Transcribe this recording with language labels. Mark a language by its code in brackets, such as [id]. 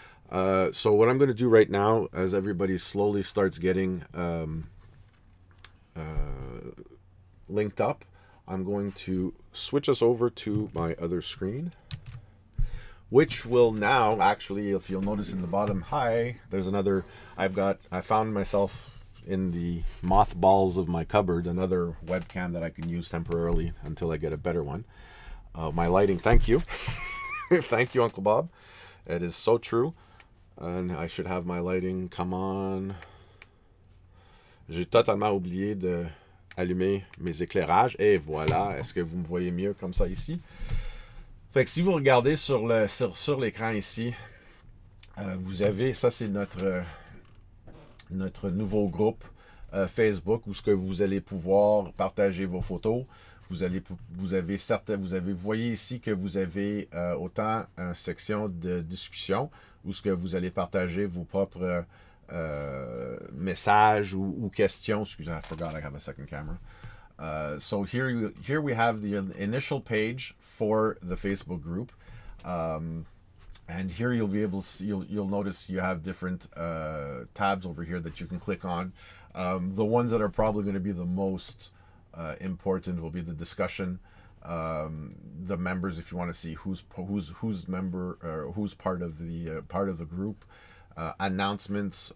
[en] So what I'm going to do right now, as everybody slowly starts getting linked up, I'm going to switch us over to my other screen, which will now, actually, if you'll notice in the bottom, hi, there's another, I found myself in the mothballs of my cupboard, another webcam that I can use temporarily until I get a better one. My lighting, thank you. Thank you, Uncle Bob. It is so true. And I should have my lighting, come on. [fr] J'ai totalement oublié de allumer mes éclairages. Et voilà, est-ce que vous me voyez mieux comme ça ici? Fait que si vous regardez sur l'écran ici, vous avez, ça c'est notre nouveau groupe Facebook où ce que vous allez pouvoir partager vos photos. vous allez, vous avez certain, vous avez, vous voyez ici que vous avez autant une section de discussion où ce que vous allez partager vos propres messages ou questions. Excusez-moi, [en] I forgot I have a second camera. So here we have the initial page for the Facebook group. And here you'll be able to see, you'll notice you have different tabs over here that you can click on. The ones that are probably going to be the most important will be the discussion, the members, if you want to see who's member or who's part of the group, announcements.